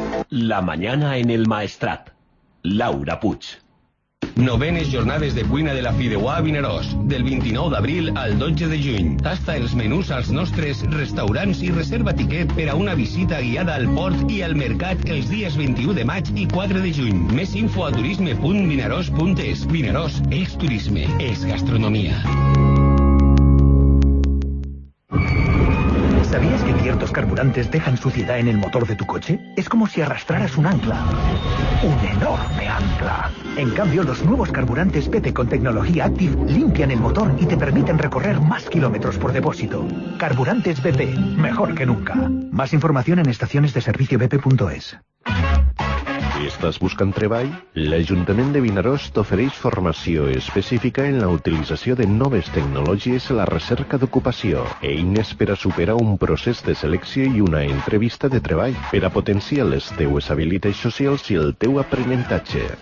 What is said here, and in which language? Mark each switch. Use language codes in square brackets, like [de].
[es] La mañana en el Maestrat. Laura Puig. [ca] Novenes jornades de cuina de la Fideuà a Vinaròs, del 29 d'abril al 12 de juny. Tasta els menús als nostres restaurants i reserva tiquet per a una visita guiada al port i al mercat els dies 21 de maig i 4 de juny. Més info a turisme.vinaròs.es. Vinaròs és turisme, és gastronomia. [es] ¿Sabías que ciertos carburantes dejan suciedad en el motor de tu coche? Es como si arrastraras un ancla. ¡Un enorme ancla! En cambio, los nuevos carburantes PT con tecnología Active limpian el motor y te permiten recorrer más kilómetros por depósito. Carburantes BP, mejor que nunca. Más información en estaciones de servicio bp.es. [ca] Estàs buscant treball? L'Ajuntament de Vinaròs t'ofereix formació específica en la utilització de noves tecnologies a la recerca d'ocupació. Eines per a superar un procés de selecció i una entrevista de treball. Per a potenciar les teues habilitats socials i el teu aprenentatge.